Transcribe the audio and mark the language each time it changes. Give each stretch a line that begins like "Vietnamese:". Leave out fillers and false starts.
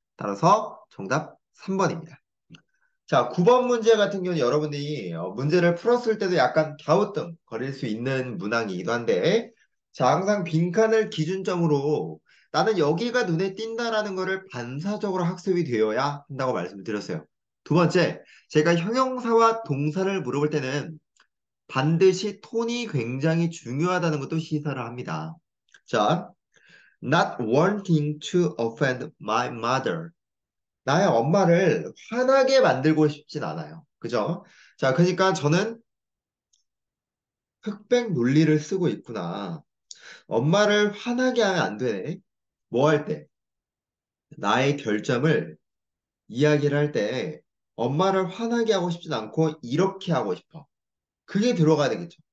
Korean: 따라서 정답 3번입니다. 자, 9번 문제 같은 경우는 여러분들이 문제를 풀었을 때도 약간 갸우뚱 거릴 수 있는 문항이기도 한데, 자, 항상 빈칸을 기준점으로 나는 여기가 눈에 띈다라는 것을 반사적으로 학습이 되어야 한다고 말씀드렸어요. 두 번째, 제가 형용사와 동사를 물어볼 때는 반드시 톤이 굉장히 중요하다는 것도 시사를 합니다.
English: 자, not wanting to offend my mother.
Korean: 나의 엄마를 화나게 만들고 싶진 않아요. 그죠? 자, 그러니까 저는 흑백 논리를 쓰고 있구나. 엄마를 화나게 하면 안 되네. 뭐할 때? 나의 결점을 이야기를 할 때, 엄마를 화나게 하고 싶진 않고, 이렇게 하고 싶어. 그게 들어가야 되겠죠.